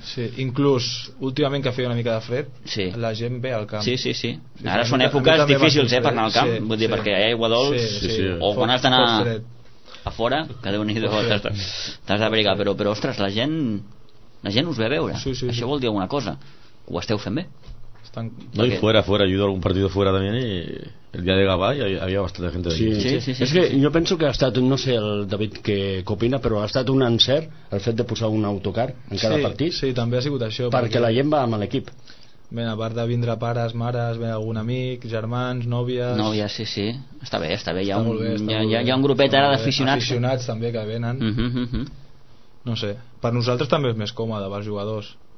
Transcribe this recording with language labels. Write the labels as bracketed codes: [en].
[ca] Sí, inclús últimament que feia una mica de fred, sí. La gent ve al camp. Sí. Ara són èpoques difícils, per anar al camp, sí, vull dir, sí. Perquè hi ha aigua dolç, sí. O quan has d'anar a fora, que Déu-n'hi-do, t'has d'abrigar, però ostres, la gent us ve a veure, sí. Això vol dir alguna cosa, ho esteu fent bé. [es] No, y fuera, ayudó algún partido fuera también y el día de Gavà y había bastante gente allí. Sí. Yo pienso que ha estado, no sé el David que opina, pero ha estado un [ca] encert el fet de posar un autocar en cada partit. Sí, també ha sigut això. Perquè la gent va amb l'equip. Bé, a part de vindre pares, mares, bé, algun amic, germans, nòvies... Nòvies, sí. Està bé. Hi ha un grupet ara d'aficionats. Aficionats també que venen. No sé, per nosaltres també és més còmode, pels jugadors.